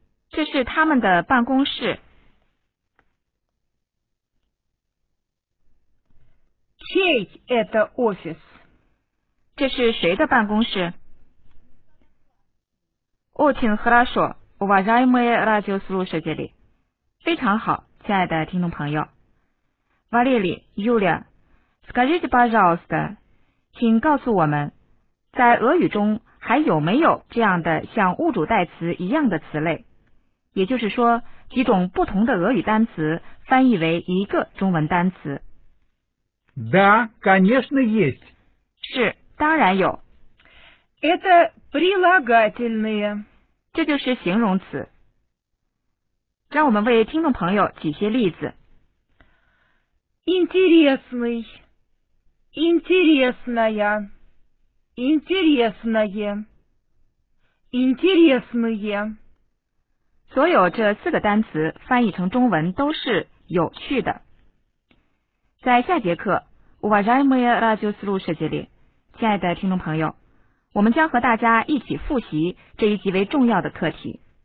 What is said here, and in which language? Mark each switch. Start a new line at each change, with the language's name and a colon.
Chinese: 这是他们的办公室。
Russian: Чей это офис?
Chinese: 这是谁的办公室?
Russian: Очень хорошо, уважаемые радиослушатели.
Chinese: 非常好，亲爱的听众朋友。
Russian: Валерий, Юлия, скажите, пожалуйста,
Chinese: 请告诉我们，在俄语中还有没有这样的像物主代词一样的词类？也就是说，几种不同的俄语单词翻译为一个中文单词。
Russian: Да, конечно, есть.
Chinese: 是，当然有。
Russian: Это прилагательные.
Chinese: 这就是形容词。让我们为听众朋友举些例子。
Russian: Интересный, интересная, интересное, интересные.
Chinese: 所有这四个单词翻译成中文都是有趣的。在下节课
Russian: Уважаемые радиослушатели,
Chinese: 亲爱的听众朋友，我们将和大家一起复习这一极为重要的课题。